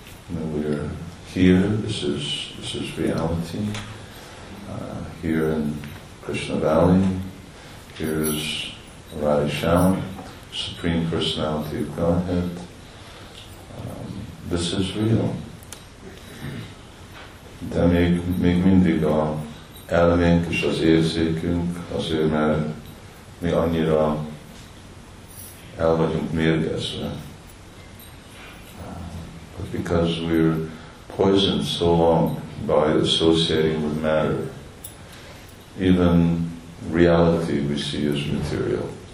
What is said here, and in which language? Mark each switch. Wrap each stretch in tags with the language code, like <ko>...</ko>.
<en>We're here, this is reality, here in Krishna Valley, here's Radha Shyam, Supreme Personality of Godhead. This is real.</en> <hu>Then még mindig a elménk és az érzékünk, azért mert mi annyira el vagyunk mérgezve.</hu> <en>But because we're poisoned so long by associating with matter, even reality we see as material.</en>